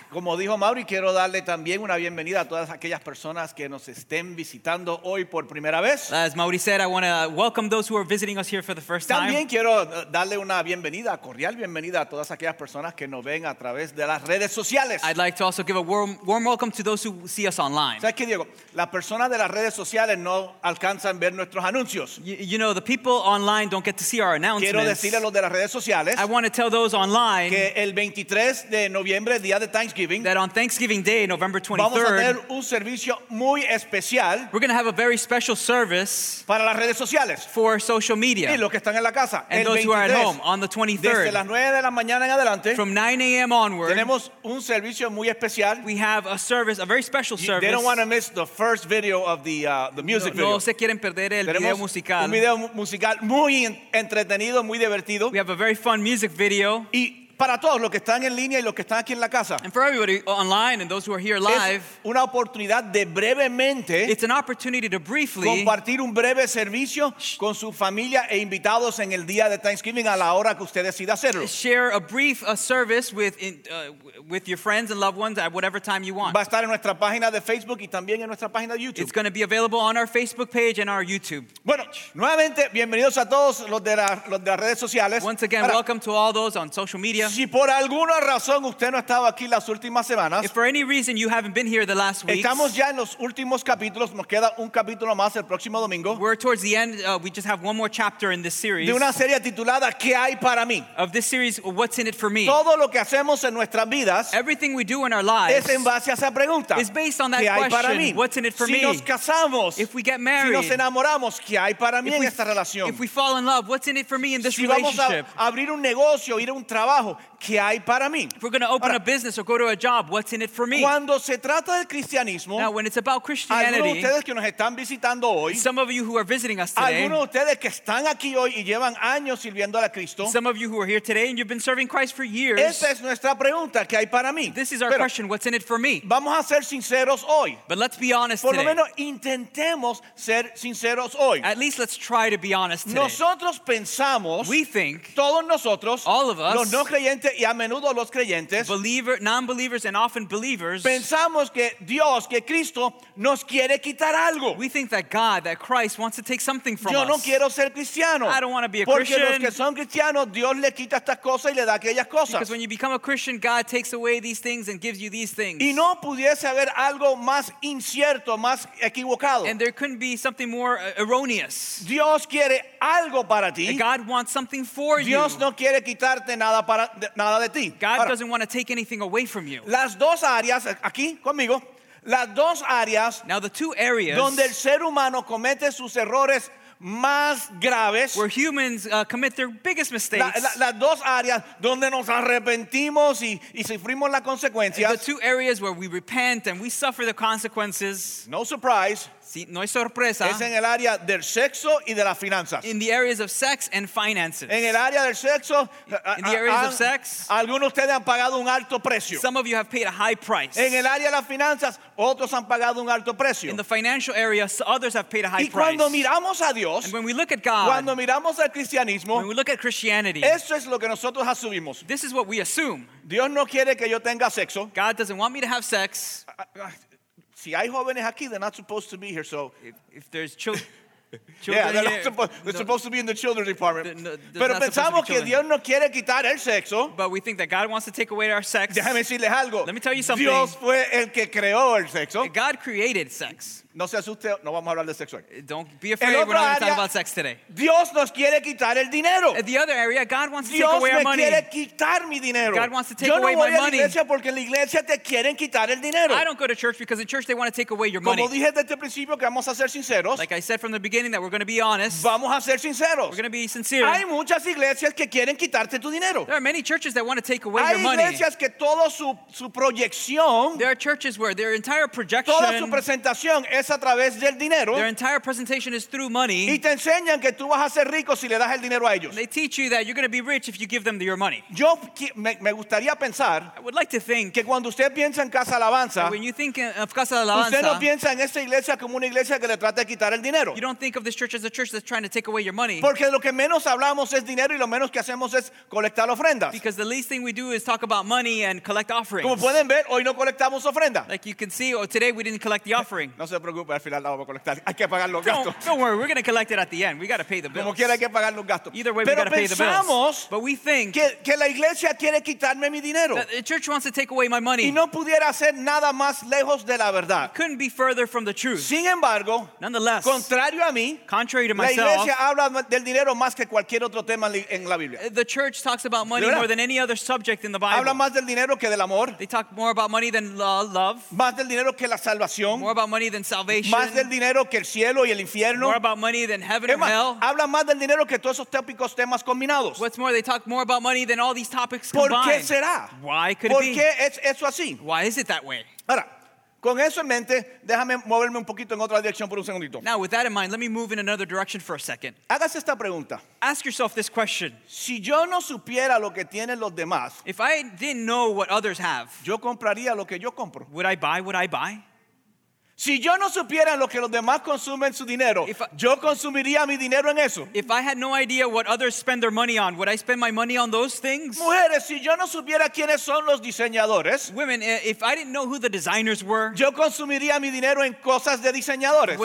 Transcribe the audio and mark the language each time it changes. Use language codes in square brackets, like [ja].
[es] Como dijo Mauri, quiero darle también una bienvenida a todas aquellas personas que nos estén visitando hoy por primera vez. [en] As Mauri said, I want to welcome those who are visiting us here for the first [es] también También quiero darle una bienvenida, cordial bienvenida a todas aquellas personas que nos ven a través de las redes sociales. [en] I'd like to also give a warm welcome to those who see us online. [es] ¿Sabes qué, Diego? Las personas de las redes sociales no alcanzan ver nuestros anuncios. [en] You know, the people online don't get to see our announcements. [es] Quiero decirle a los de las redes sociales. [en] I want to tell those online. [es] Que el 23 de noviembre, día de Thanksgiving, [en] that on Thanksgiving Day, November 23rd, [es] vamos a tener un servicio muy especial. [en] We're going to have a very special service [es] para las redes sociales, [en] for social media, [es] y los que están en la casa, [en] and [es] el [en] those [es] 23, [en] who are at home on the 23rd. [es] Desde las 9 de la mañana en adelante, [en] from 9 a.m. onward, [es] tenemos un servicio muy especial. [en] We have a service, a very special service. They don't want to miss the first video of the music [es] no, [en] video. [es] No se quieren perder el tenemos video musical. Un video musical muy entretenido, muy divertido. [en] We have a very fun music video. [es] Y para todos los que están en línea y los que están aquí en la casa. [en] And for everybody online and those who are here live. [es] Es una oportunidad de brevemente. [en] It's an opportunity to briefly. [es] Compartir un breve servicio con su familia e invitados en el día de Thanksgiving a la hora que usted decida hacerlo. [en] Share a brief service with your friends and loved ones at whatever time you want. [es] Va a estar en nuestra página de Facebook y también en nuestra página de YouTube. [en] It's going to be available on our Facebook page and our YouTube page. [es] Bueno, nuevamente, bienvenidos a todos los de las redes sociales. [en] Once again, [es] ahora, [en] welcome to all those on social media. [es] Si por alguna razón usted no ha estado aquí las últimas semanas, [en] if for any reason you haven't been here the last weeks, [es] estamos ya en los últimos capítulos, nos queda un capítulo más el próximo domingo. [en] We're towards the end, we just have one more chapter in this series. [es] De una serie titulada ¿Qué hay para mí? [en] Of this series, what's in it for me? [es] Todo lo que hacemos en nuestras vidas, [en] everything we do in our lives, [es] es en base a esa pregunta. [en] Is based on that [es] ¿Qué hay [en] question, [es] para mí? [en] What's in it for [es] si [en] me? [es] Nos casamos, [en] if we get married, [es] si nos enamoramos, ¿qué hay para mí en esta relación? [en] If we fall in love, what's in it for me in this [es] si [en] relationship? [es] Si vamos a abrir un negocio, ir a un trabajo, ¿qué hay para mí? [en] If we're going to open a business or go to a job, what's in it for me? [es] Cuando se trata del cristianismo, [en] now, when it's about Christianity, [es] algunos de ustedes que nos están visitando hoy, [en] some of you who are visiting us today, [es] algunos de ustedes que están aquí hoy y llevan años sirviendo a Cristo, [en] some of you who are here today and you've been serving Christ for years, [es] esta es nuestra pregunta, ¿qué hay para mí? [en] This is our question, what's in it for me? [es] Vamos a ser sinceros hoy. [en] But let's be honest [es] por [en] today. [es] Por lo menos intentemos ser sinceros hoy. [en] At least let's try to be honest today. [es] Nosotros pensamos, [en] we think, [es] todos nosotros, [en] all of us, [es] no creyente y a menudo los creyentes, [en] believer, non-believers and often believers, [es] pensamos que Dios, que Cristo nos quiere quitar algo. [en] We think that God, that Christ wants to take something from [es] yo [en] us. [es] No quiero ser cristiano. [en] I don't want to be a [es] porque [en] Christian. [es] Porque los que son cristianos, Dios le quita estas cosas y le da aquellas cosas. [en] Because when you become a Christian, God takes away these things and gives you these things. [es] Y no pudiese haber algo más incierto, más equivocado. [en] And there couldn't be something more erroneous. [es] Dios quiere algo para ti. [en] And God wants something for [es] Dios [en] you. [es] Dios no quiere quitarte nada para nada de ti. [en] God [es] ahora, [en] doesn't want to take anything away from you. [es] Las dos áreas aquí conmigo, las dos áreas, [en] now the two areas [es] donde el ser humano comete sus errores más graves, [en] where humans commit their biggest mistakes, las dos áreas donde nos arrepentimos y sufrimos las consecuencias, the two areas where we repent and we suffer the consequences, no surprise. [es] Sí, no hay sorpresa. Es en el área del sexo y de las finanzas. [en] In the areas of sex and finances. [es] En el área del sexo, [en] in the areas of sex, [es] algunos de ustedes han pagado un alto precio. [en] Some of you have paid a high price. [es] En el área de las finanzas, otros han pagado un alto precio. [en] In the financial area, others have paid a high price. [es] Y cuando miramos a Dios, [en] and when we look at God, [es] cuando miramos al cristianismo, [en] when we look at Christianity, [es] esto es lo que nosotros asumimos. [en] This is what we assume. [es] Dios no quiere que yo tenga sexo. [en] God doesn't want me to have sex. [es] Si hay jóvenes aquí, [en] they're not supposed to be here, so... If there's children... They're supposed to be in the children's department. [es] Pero pensamos que Dios no quiere quitar el sexo. [en] But we think that God wants to take away our sex. [es] Déjame decirles algo. [en] Let me tell you something. [es] Dios fue el que creó el sexo. [en] God created sex. [es] No se asuste, no vamos a hablar de sexo. [en] Don't be afraid, we're not going to talk about sex today. [es] Dios nos quiere quitar el dinero. [en] At the other area, God wants to [es] Dios [en] take away our money. [es] Dios quiere quitar mi dinero. [en] God wants to take away my money. [es] Yo no voy a la iglesia porque en la iglesia te quieren quitar el dinero. [en] I don't go to church because in church they want to take away your [es] como [en] money. [es] Como dije desde el principio que vamos a ser sinceros. [en] Like I said from the beginning that we're going to be honest. [es] Vamos a ser sinceros. [en] We're going to be sincere. [es] Hay muchas iglesias que quieren quitarte tu dinero. [en] There are many churches that want to take away [es] hay [en] your money. [es] Hay iglesias que todo su proyección. [en] There are churches where their entire projection. [es] Toda su presentación es es a través del dinero. [en] Their entire presentation is through money. [es] Y te enseñan que tú vas a ser rico si le das el dinero a ellos. [en] They teach you that you're going to be rich if you give them your money. [es] Yo me gustaría pensar, [en] I would like to think, [es] que cuando usted piensa en Casa Alabanza, [en] when you think of Casa Alabanza, [es] usted no piensa en esta iglesia como una iglesia que le trata de quitar el dinero. [en] You don't think of this church as a church that's trying to take away your money. [es] Porque lo que menos hablamos es dinero y lo menos que hacemos es colectar ofrendas. [en] Because the least thing we do is talk about money and collect offerings. [es] Como pueden ver, hoy no colectamos ofrenda. [en] Like you can see, today we didn't collect the offering. [es] No se preocupe, al final la vamos a colectar. Hay que pagar los gastos. [en] Don't worry, we're going to collect it at the end. We got to pay the bills. [es] Como quiera hay que pagar los gastos. [en] Either way, we got to pay the bills. [es] Pero pensamos, [en] but we think, [es] que la iglesia quiere quitarme mi dinero. [en] That the church wants to take away my money. [es] Y no pudiera ser nada más lejos de la verdad. [en] It couldn't be further from the truth. [es] Sin embargo, [en] nonetheless, [es] contrario a mí, [en] contrary to [es] la [en] myself, [es] iglesia habla del dinero más que cualquier otro tema en la Biblia. [en] The church talks about money more than any other subject in the Bible. [es] Habla más del dinero que del amor. [en] They talk more about money than love. [es] Más del dinero que la salvación. [en] More about money than salvation. [es] Más del dinero que el cielo y el infierno. [en] More about money than heaven or hell. [es] Habla más del dinero que todos esos típicos temas combinados. [en] What's more, they talk more about money than all these topics [es] ¿Por [en] combined. [es] ¿Qué será? [en] Why could [es] ¿Por [en] it be? [es] ¿Qué es eso así? [en] Why is it that way? [es] Ahora, con eso en mente, déjame moverme un poquito en otra dirección por un segundito. [en] Now, with that in mind, let me move in another direction for a second. [es] Hágase esta pregunta. [en] Ask yourself this question. [es] Si yo no supiera lo que tienen los demás, [en] if I didn't know what others have, [es] yo compraría lo que yo compro. [en] Would I buy what I buy? [es] Si yo no supiera lo que los demás consumen su dinero, yo consumiría mi dinero en eso. [en] If I had no idea what others spend their money on, would I spend my money on those things? [es] Mujeres, si yo no supiera quiénes son los diseñadores, [en] women, if I didn't know who the designers were, [es] yo consumiría mi dinero en cosas de diseñadores.